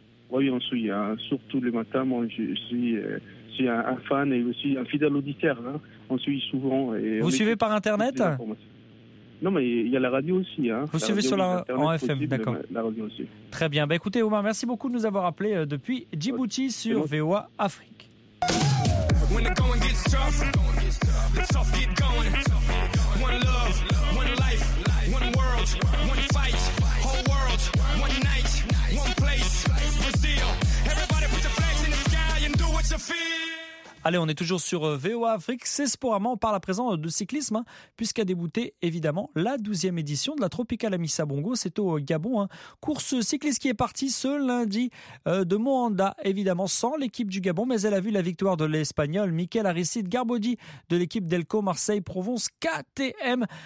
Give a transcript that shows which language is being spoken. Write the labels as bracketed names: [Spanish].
[French] Oui, on suit, hein, surtout le matin, moi je suis un fan et aussi un fidèle auditeur, hein. On suit souvent. Et vous suivez par Internet? Non, mais il y a la radio aussi. Hein. Vous suivez sur en FM, possible, d'accord. La radio aussi. Très bien, bah, écoutez Omar, merci beaucoup de nous avoir appelé depuis Djibouti sur VOA Afrique. [English] When the going gets tough, the tough get going. One love, one life, one world, one fight. Whole world, one night, one place. Brazil, everybody put your flags in the sky and do what you feel. [French] Allez, on est toujours sur VOA Afrique. C'est Sporama. On parle à présent de cyclisme, hein, puisqu'a débuté évidemment la 12e édition de la Tropicale Amissa Bongo. C'est au Gabon. Hein. Course cycliste qui est partie ce lundi de Moanda, évidemment sans l'équipe du Gabon, mais elle a vu la victoire de l'Espagnol Mikel Aristide Garbodi de l'équipe d'Elco Marseille Provence KTM.